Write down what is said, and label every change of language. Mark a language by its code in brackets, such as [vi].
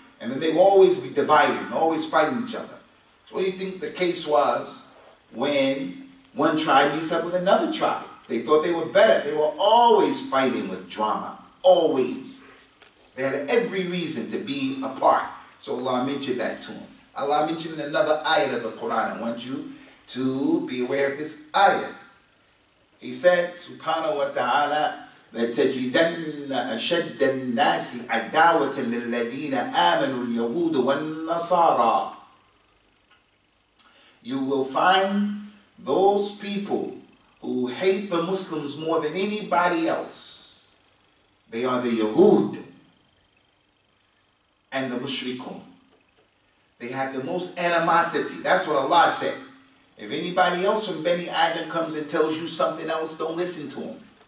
[en] And then they will always be divided, always fighting each other. So what do you think the case was when one tribe meets up with another tribe? They thought they were better. They were always fighting with drama. Always. They had every reason to be apart. So Allah mentioned that to them. Allah mentioned another ayat of the Quran. I want you to be aware of this ayat. He said, [ar] Subhanahu wa ta'ala, لَتَجِدَنَّ أَشَدَّ النَّاسِ عَدَّاوَةً لِلَّذِينَ آمَنُوا الْيَهُودُ وَالنَّصَارَى. [en] You will find those people who hate the Muslims more than anybody else. They are the Yahud and the Mushrikun. They have the most animosity. That's what Allah said. If anybody else from Bani Adam comes and tells you something else, don't listen to him.